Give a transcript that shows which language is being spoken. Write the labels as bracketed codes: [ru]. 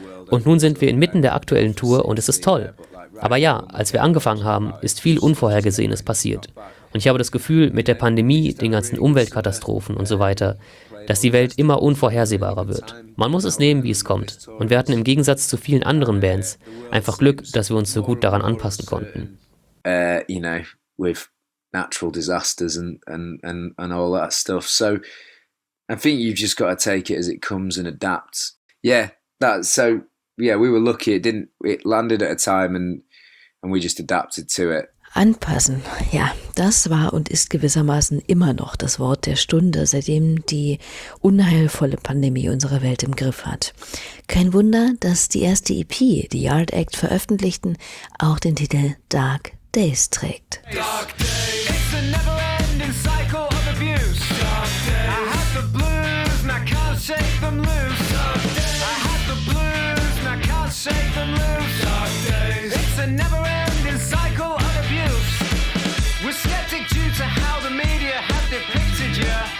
[de] Und nun sind wir inmitten der aktuellen Tour und es ist toll. Aber ja, als wir angefangen haben, ist viel Unvorhergesehenes passiert. Und ich habe das Gefühl, mit der Pandemie, den ganzen Umweltkatastrophen und so weiter, dass die Welt immer unvorhersehbarer wird. Man muss es nehmen, wie es kommt. Und wir hatten im Gegensatz zu vielen anderen Bands einfach Glück, dass wir uns so gut daran anpassen konnten. [en] You know, with natural disasters and all that stuff. So I think you've just got to take it as it comes and adapt. Yeah, that's so, yeah, we were lucky. It landed at a time and we just adapted to it. [de] Anpassen, ja, das war und ist gewissermaßen immer noch das Wort der Stunde, seitdem die unheilvolle Pandemie unsere Welt im Griff hat. Kein Wunder, dass die erste EP, die Yard Act, veröffentlichten, auch den Titel Dark Days trägt. [en] Dark Days. It's a never-ending cycle of abuse. Dark Days. I have the blues and I can't shake them loose. Dark Days. I have the blues and I can't shake them loose. Dark Days. It's a never-ending cycle of abuse. We're skeptic due to how the media have depicted you.